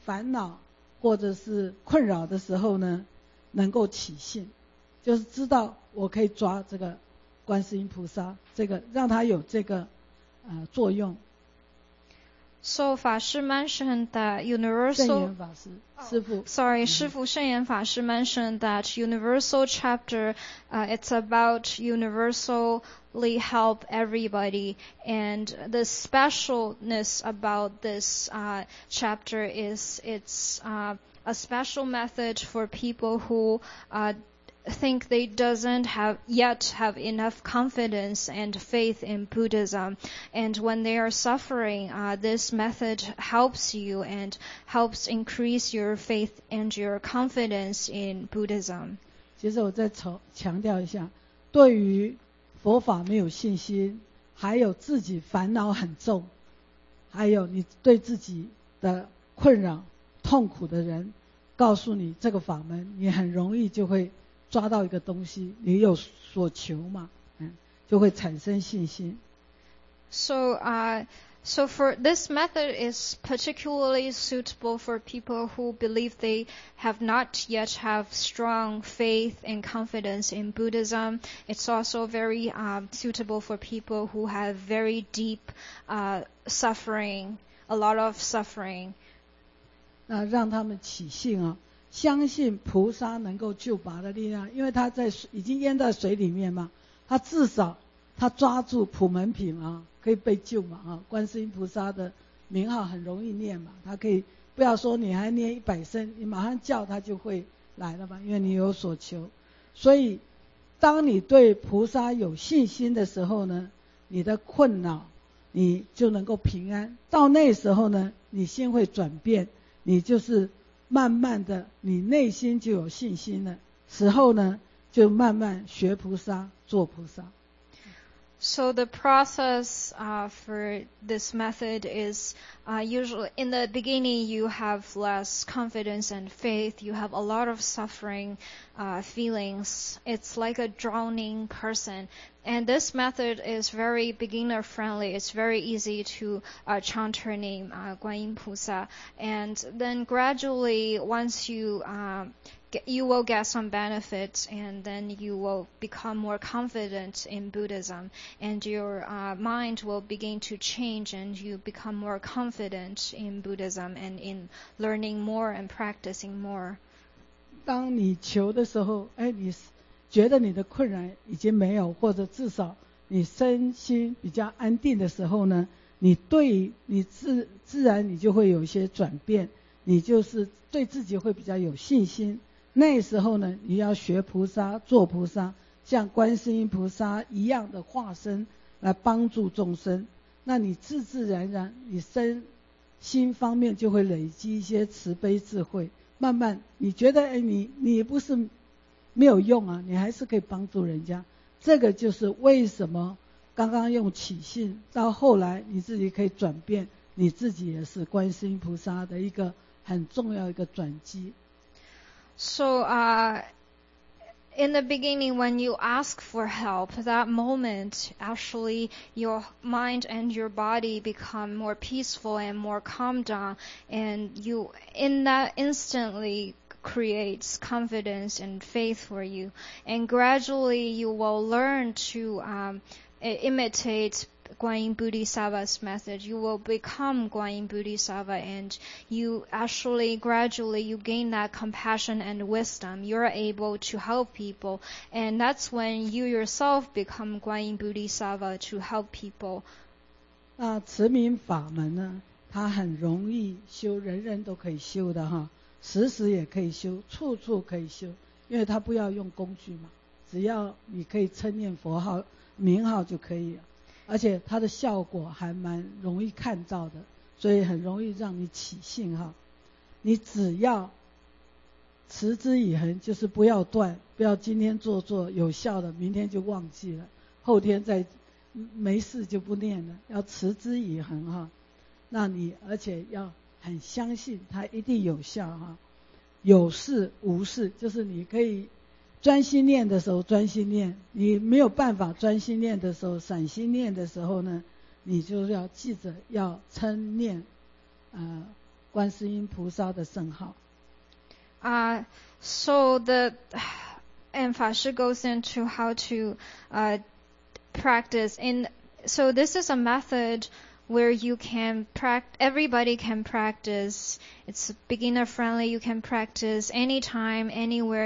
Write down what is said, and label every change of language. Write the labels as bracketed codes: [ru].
[zh] 其实师父提到了普门品呢，是观音菩萨法门里面他普门示现，就是接引不同的众生来哈的一个很特殊的一种方便的法门。他主要是要接引很多的菩萨对佛法比较没有信心不足的那些菩萨，他让他处于烦恼或者是困扰的时候呢。能够起信，就是知道我可以抓这个观世音菩萨，这个让他有这个作用。 [en] So, 法师 mentioned that universal... [zh] 圣严法师, 师父, [en] sorry, 师父圣严法师 mentioned that universal chapter, it's about universally help everybody. And the specialness about this chapter is it's a special method for people who think they doesn't have yet have enough confidence and faith in Buddhism, and when they are suffering, this method helps you and helps increase your faith and your confidence in Buddhism. [zh] 其实我再强调一下，对于佛法没有信心，还有自己烦恼很重，还有你对自己的困扰、痛苦的人，告诉你这个法门，你很容易就会。抓到一个东西，你有所求嘛，就会产生信心。 [en] So for this method is particularly suitable for people who believe they have not yet have strong faith and confidence in Buddhism. It's also very suitable for people who have very deep suffering, a lot of suffering. [zh] 那让他们起信啊。相信菩萨能够救拔的力量，因为他在水已经淹在水里面嘛，他至少他抓住普门品啊，可以被救嘛啊，观世音菩萨的名号很容易念嘛，他可以不要说你还念一百声，你马上叫他就会来了嘛，因为你有所求，所以当你对菩萨有信心的时候呢，你的困扰你就能够平安，到那时候呢，你心会转变，你就是。慢慢的你内心就有信心了，此后呢就慢慢学菩萨做菩萨。 [en] So the process for this method is usually in the beginning you have less confidence and faith, you have a lot of suffering feelings, it's like a drowning person. And this method is very beginner friendly, it's very easy to chant her name, Guanyin Pusa. And then gradually once you you will get some benefits and then you will become more confident in Buddhism and your mind will begin to change and you become more confident in Buddhism and in learning more and practicing more. [zh] 当你求的时候，哎，你觉得你的困难已经没有，或者至少你身心比较安定的时候呢，你对你自然你就会有一些转变，你就是对自己会比较有信心。那时候呢，你要学菩萨，做菩萨，像观世音菩萨一样的化身来帮助众生。那你自自然然，你身心方面就会累积一些慈悲智慧。慢慢，你觉得哎，你不是没有用啊，你还是可以帮助人家。这个就是为什么刚刚用起信，到后来你自己可以转变，你自己也是观世音菩萨的一个很重要一个转机。 [en] So, in the beginning, when you ask for help, that moment, actually, your mind and your body become more peaceful and more calm down, and you, in that instantly, creates confidence and faith for you. And gradually, you will learn to imitate Guanyin Bodhisattva's method, you will become Guanyin Bodhisattva and you actually gradually you gain that compassion and wisdom. You're able to help people and that's when you yourself become Guanyin Bodhisattva to help people. [zh] 那慈明法门呢，它很容易修，人人都可以修的哈，时时也可以修，处处可以修，因为它不要用工具嘛，只要你可以称念佛号名号就可以了，而且它的效果还蛮容易看到的，所以很容易让你起信哈。你只要持之以恒，就是不要断，不要今天做有效的，明天就忘记了，后天再没事就不念了，要持之以恒哈。那你而且要很相信它一定有效哈，有事无事，就是你可以专心念的时候专心念，你没有办法专心念的时候散心念的时候呢，你就要记着要称念观世音菩萨的圣号。 [en] So the and 法师 goes into how to practice in so this is a method where you can practice, everybody can practice. It's beginner friendly. You can practice anytime, anywhere.